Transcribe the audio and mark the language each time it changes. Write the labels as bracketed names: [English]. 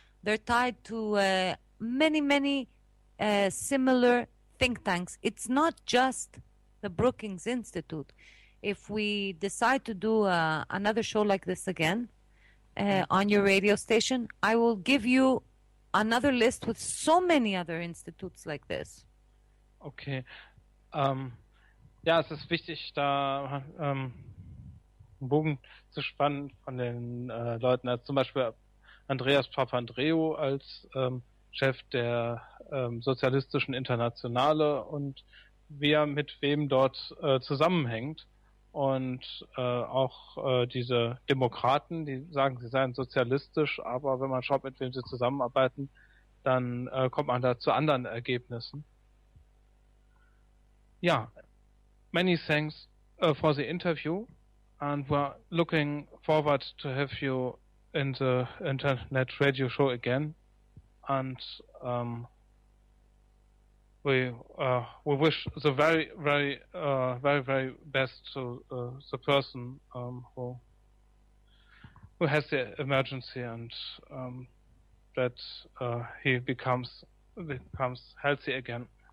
[English] They're tied to many similar think tanks. It's not just the Brookings Institute. If we decide to do another show like this again on your radio station, I will give you another list with so many other institutes like this. Okay. [German] Ja, es ist wichtig, da einen Bogen zu spannen von den Leuten, also zum Beispiel Andreas Papandreou als Chef der Sozialistischen Internationale und wer mit wem dort zusammenhängt. Und auch diese Demokraten, die sagen, sie seien sozialistisch, aber wenn man schaut, mit wem sie zusammenarbeiten, dann kommt man da zu anderen Ergebnissen. [English] Ja, many thanks for the interview, and we're looking forward to have you in the internet radio show again, and we wish the very, very, very, very best to the person who has the emergency, and that he becomes healthy again.